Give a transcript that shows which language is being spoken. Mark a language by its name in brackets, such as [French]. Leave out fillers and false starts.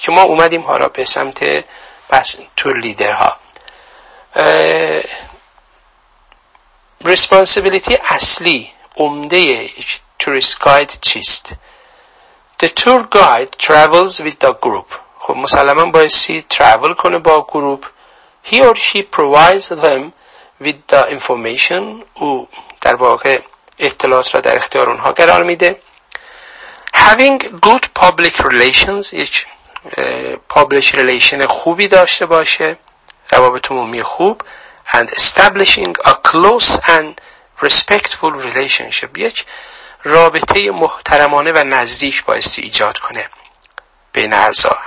[Persian] که ما اومدیم حالا به سمت بس tour leaderها. Responsibility اصلی عمده tourist guide چیست؟ [English] The tour guide travels with the group. [Persian] خب مسلماً بایستی travel کنه با گروپ. [English] He or she provides them with the information. [Persian] او در واقع اطلاعات را در اختیار اونها قرار میده. [English] Having good public relations, [Persian] یک public relation خوبی داشته باشه, روابط عمومی خوب, [English] and establishing a close and respectful relationship, [Persian] یک رابطه محترمانه و نزدیک بایستی ایجاد کنه بین اعضا.